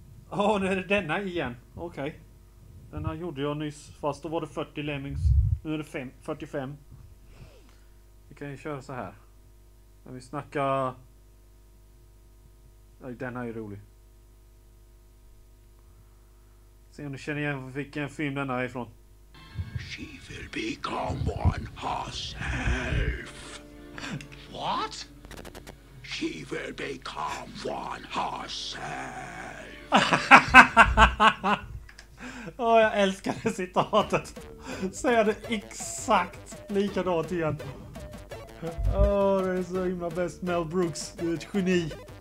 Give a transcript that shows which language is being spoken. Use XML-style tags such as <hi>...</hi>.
<sv>Åh, nu är det denna igen. Okej. Okay. Den här gjorde jag nyss, fast då var det 40 lemmings. Nu är det 45. Vi kan ju köra så här. När vi snackar... Nej, den här är rolig. Se om du känner igen vilken film den här är ifrån.</sv> <en>She will become one herself. What? She will become one herself.</en> <sv>Åh, jag älskar det citatet. Säger det exakt likadant igen. Åh, det är så himla bäst. Mel Brooks, du är ett geni.</sv>